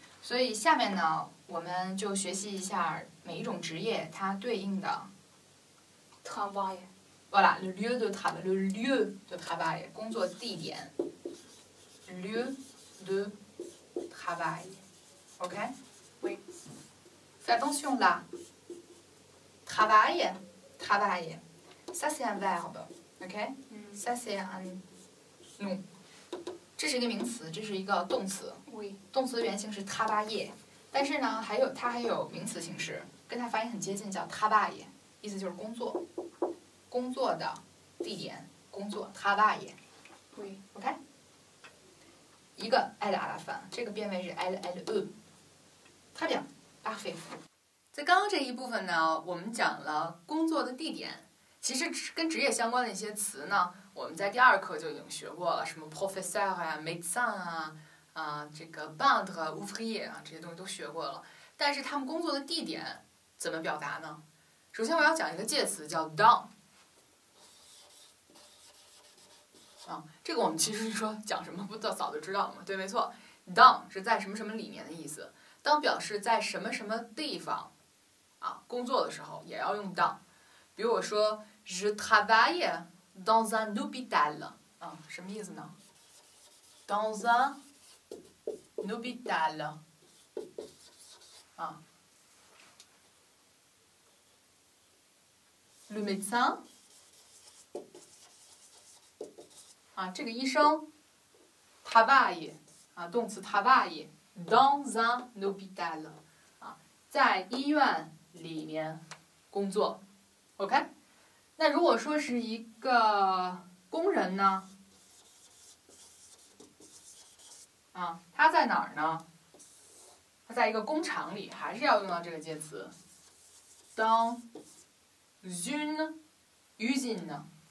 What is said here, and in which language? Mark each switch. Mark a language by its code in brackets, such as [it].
[zh] 所以下面呢，我们就学习一下每一种职业它对应的 [fr] travail. Voilà. Le lieu de travail. Le lieu de travail. [zh] 工作地点 [fr] lieu de travail. [en] OK? [fr] Oui. Fais attention là. Travail, travail. Ça c'est un verbe, OK？ Ça c'est un nom. [zh] 这是一个名词，这是一个动词。 [fr] Oui. [zh] 动词原形是 travailler， 但是呢，还有它还有名词形式，跟它发音很接近，叫 travaille， 意思就是工作，工作的地点，工作 travailler。 [fr] Oui. [en] OK。 [zh] 一个 l [fr] à la fin， [zh] 这个变位是 lle。 [fr] Très bien. Parfait. [zh] 在刚刚这一部分呢，我们讲了工作的地点，其实跟职业相关的一些词呢，我们在第二课就已经学过了，什么 professeur 啊， médecin 啊，这个 peintre ouvrier 啊，这些东西都学过了。但是他们工作的地点怎么表达呢？首先我要讲一个介词叫 dans。啊，这个我们其实说讲什么不早就知道了吗？对，没错， dans 是在什么什么里面的意思，当表示在什么什么地方。啊，工作的时候也要用 dans， 比如我说 [fr] je travaille dans un hôpital， [zh] 啊，什么意思呢？ dans un hôpital， 啊， le médecin， 啊，这个医生 travaille， 啊，动词 [fr] travaille dans un hôpital， [zh] 啊，在医院里面工作 ，OK。那如果说是一个工人呢？啊，他在哪儿呢？他在一个工厂里，还是要用到这个介词 ， [fr] dans une usine。